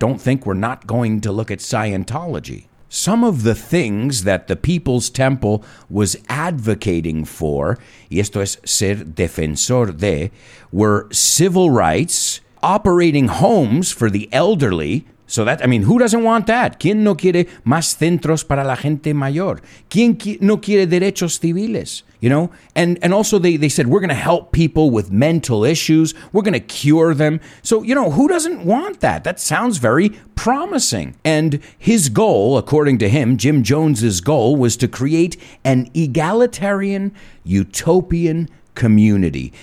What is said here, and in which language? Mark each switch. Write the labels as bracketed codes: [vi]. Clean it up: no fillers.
[en] Don't think we're not going to look at Scientology. Some of the things that the People's Temple was advocating for, [es] y esto es ser defensor de, [en] were civil rights, operating homes for the elderly. So that, I mean, who doesn't want that? [es] ¿Quién no quiere más centros para la gente mayor? ¿Quién no quiere derechos civiles? [en] You know, and also they said, we're going to help people with mental issues. We're going to cure them. So, you know, who doesn't want that? That sounds very promising. And his goal, according to him, Jim Jones's goal, was to create an egalitarian, utopian community.